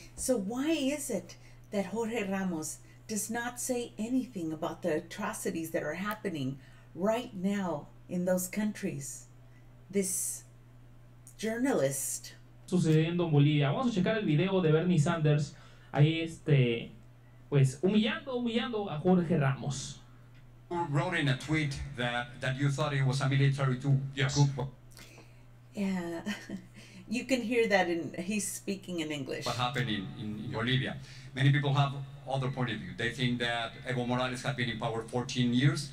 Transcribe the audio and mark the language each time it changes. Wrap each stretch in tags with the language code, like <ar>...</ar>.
<en>So why is it that Jorge Ramos does not say anything about the atrocities that are happening right now in those countries? This journalist.</en> <es>Sucediendo en Bolivia. Vamos a checar el video de Bernie Sanders ahí, pues humillando a Jorge Ramos.</es> <en>Who wrote in a tweet that you thought it was a military coup? Yes. Yeah. You can hear that in, he's speaking in English. What happened in Bolivia? Many people have other point of view. They think that Evo Morales had been in power 14 years,</en>